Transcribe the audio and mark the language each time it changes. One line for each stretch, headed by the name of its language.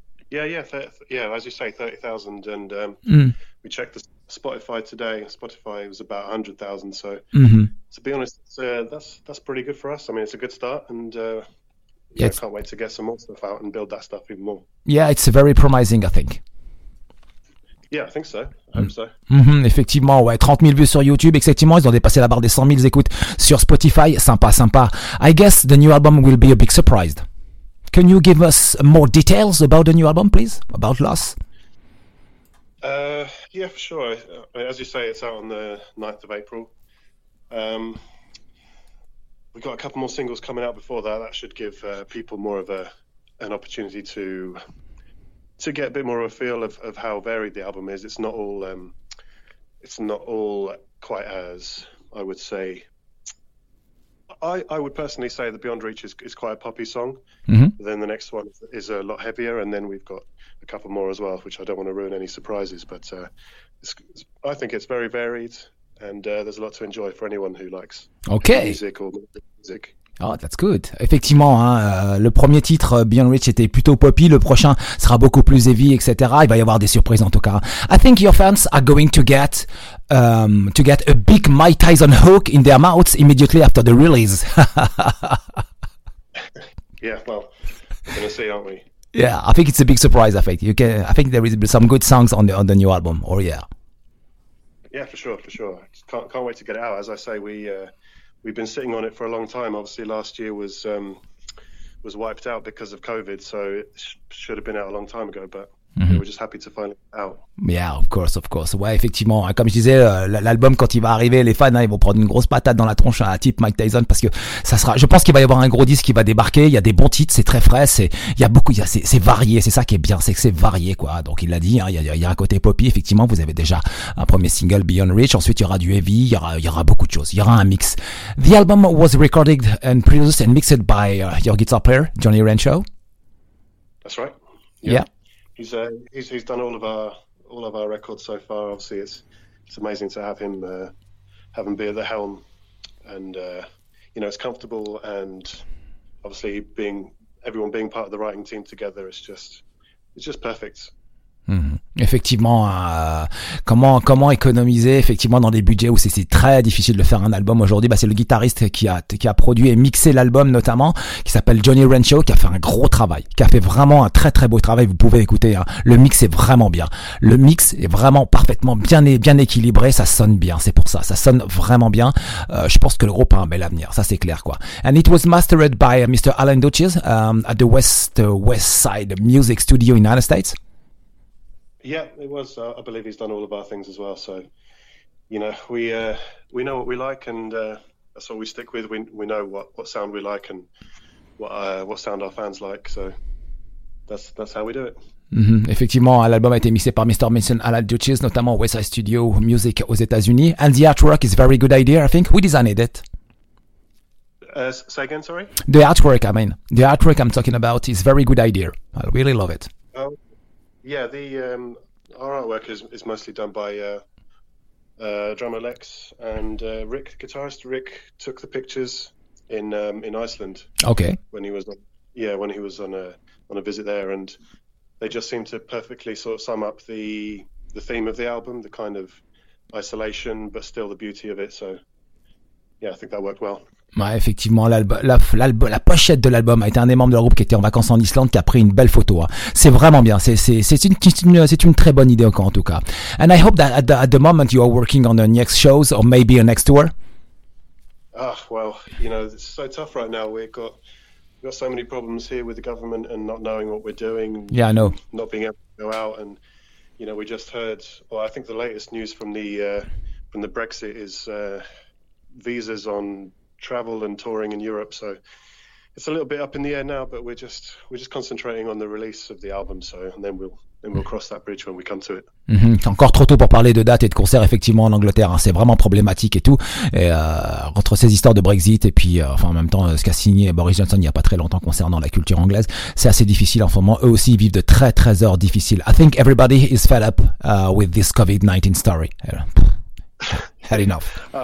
English: Yeah, as you say, 30,000, and we checked the Spotify today. Spotify was about 100,000, so to be honest, that's pretty good for us. I mean, it's a good start, and I can't wait to get some more stuff out and build that stuff even more. Yeah, it's very promising, I think. Yeah, I think so. Hope so.
French: Mm-hmm, effectivement, ouais, 30 000 vues sur YouTube, effectivement, ils ont dépassé la barre des 100 000 écoutes sur Spotify. Sympa, sympa.
English: I guess the new album will be a big surprise. Can you give us more details about the new album, please? About Loss? Yeah, for sure. As you say, it's out on the 9th of April. We've got a couple more singles coming out before that. That should give people more of an opportunity to get a bit more of a feel of how varied the album is. It's not all quite as, I would say. I would personally say that Beyond Reach is quite a poppy song. Mm-hmm. Then the next one is a lot heavier, and then we've got a couple more as well, which I don't want to ruin any surprises. But I think it's very varied. And there's a lot to enjoy for anyone who likes music or music. Oh, that's good.
French: Effectivement, hein, le premier titre, Beyond Reach, était plutôt poppy. Le prochain sera beaucoup plus heavy, etc. Il va y avoir des surprises en tout cas.
English: I think your fans are going to get a big Mike Tyson hook in their mouths immediately after the release. Yeah, well, we're going to see, aren't we? Yeah, I think it's a big surprise, I think. I think there is some good songs on the new album, or yeah. Yeah, for sure, for sure. Can't wait to get it out. As I say, we've been sitting on it for a long time. Obviously, last year was wiped out because of COVID, so it should have been out a long time ago, but we're just happy to finally get it out. Yeah, of course.
French: Ouais, effectivement. Comme je disais, l'album, quand il va arriver, les fans, hein, ils vont prendre une grosse patate dans la tronche à type Mike Tyson parce que ça sera, je pense qu'il va y avoir un gros disque qui va débarquer. Il y a des bons titres, c'est très frais, c'est varié. C'est ça qui est bien, c'est que c'est varié, quoi. Donc, il l'a dit, hein, il y a un côté poppy. Effectivement, vous avez déjà un premier single, Beyond Reach. Ensuite, il y aura du heavy, il y aura beaucoup de choses. Il y aura un mix.
English: The album was recorded and produced and mixed by your guitar player, Johnny Rancho. That's right. Yeah. He's done all of our records so far. Obviously, it's amazing to have him be at the helm, and you know, it's comfortable, and obviously everyone being part of the writing team together is just perfect.
French: Effectivement, comment économiser effectivement dans des budgets où c'est très difficile de faire un album aujourd'hui. Bah, c'est le guitariste qui a produit et mixé l'album notamment, qui s'appelle Johnny Rancho, qui a fait un gros travail, qui a fait vraiment un très très beau travail. Vous pouvez écouter, hein, le mix est vraiment bien, le mix est vraiment parfaitement bien équilibré, ça sonne bien, c'est pour ça, ça sonne vraiment bien. Je pense que le groupe a un bel avenir, ça c'est clair quoi.
English: And it was mastered by Mr. Alan Dutchies at the West Side Music Studio in the United States. Yeah, it was. I believe he's done all of our things as well. So, you know, we know what we like, and that's what we stick with. We know what sound we like and what sound our fans like. So that's how we do it.
French: Mm-hmm. Effectivement, l'album a été mixé par Mr. Mason Alan Dutchies, notamment West Side Studio Music aux États-Unis.
English: And the artwork is a very good idea, I think. Who designed it? Say again, sorry? The artwork I'm talking about is a very good idea. I really love it. Yeah, our artwork is mostly done by drummer Lex, and guitarist Rick took the pictures in Iceland. Okay. When he was on a visit there, and they just seem to perfectly sort of sum up the theme of the album, the kind of isolation but still the beauty of it. So yeah, I think that worked well.
French: Ouais, effectivement, la pochette de l'album a été un des membres de leur groupe qui était en vacances en Islande qui a pris une belle photo. Hein. C'est vraiment bien. C'est une très bonne idée encore en tout cas.
English: And I hope that at the moment you are working on the next shows or maybe a next tour. Ah, well, you know, it's so tough right now. We've got so many problems here with the government and not knowing what we're doing. Yeah, I know. Not being able to go out, and you know, we just heard, well, I think the latest news from the Brexit is visas on travel and touring in Europe. So it's a little bit up in the air now, but we're just concentrating on the release of the album. So, and then we'll cross that bridge when we come to it. Mm-hmm.
French: Encore trop tôt pour parler de dates et de concerts, effectivement, en Angleterre. Hein. C'est vraiment problématique et tout. Et, entre ces histoires de Brexit et puis, enfin, en même temps, ce qu'a signé Boris Johnson il n'y a pas très longtemps concernant la culture anglaise, c'est assez difficile en ce moment. Eux aussi vivent de très, très heures difficiles.
English: I think everybody is fed up with this COVID-19 story. Had enough.